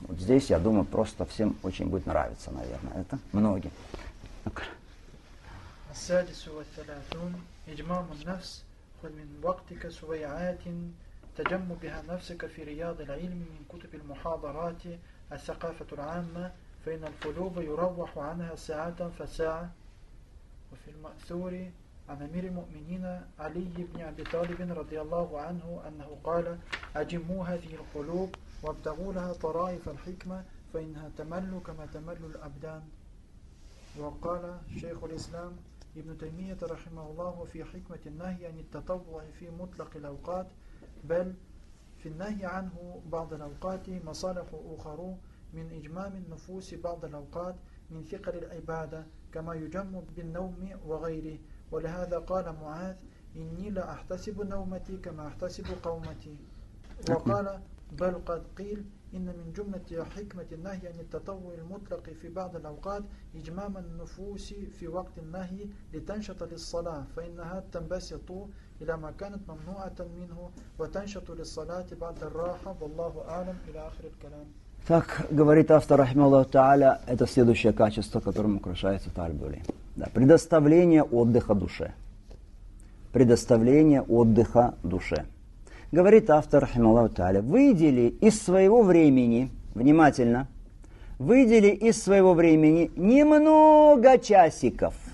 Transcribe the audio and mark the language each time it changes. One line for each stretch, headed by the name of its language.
Russian: Вот здесь, я думаю, просто всем очень будет нравиться, наверное, это многим.
Arabic: «Ассадису ва саляфун, эджмаму нафс, худ мин вактика сувайаатин, таджамму биха нафсика фи рияды лаильми мин кутубил мухадарати, ассакафату лаамма». فإن القلوب يروح عنها ساعة فساعة وفي المأثور عن أمير المؤمنين علي بن أبي طالب رضي الله عنه أنه قال أجموا هذه القلوب وابتغوا لها طرائف الحكمة فإنها تمل كما تمل الأبدان وقال شيخ الإسلام ابن تيمية رحمه الله في حكمة النهي عن التطوع في مطلق الأوقات بل في النهي عنه بعض الأوقات مصالح أخرى من إجمام النفوس بعض الأوقات من ثقل العبادة كما يجم بالنوم وغيره ولهذا قال معاذ إني لا أحتسب نومتي كما أحتسب قومتي. وقال بل قد قيل إن من جملة حكمة النهي عن التطوع المطلق في بعض الأوقات إجمام النفوس في وقت النهي لتنشط للصلاة، فإنها تنبسط إلى ما كانت ممنوعة منه وتنشط للصلاة بعد الراحة، والله أعلم، إلى آخر الكلام.
Russian: Так говорит автор,
Arabic: рахималлаху та'аля,
Russian: это следующее качество, которым украшается тальбули. Да, предоставление отдыха душе. Предоставление отдыха душе. Говорит автор,
Arabic: рахималлаху та'аля,
Russian: выдели из своего времени, внимательно, выдели из своего времени немного часиков.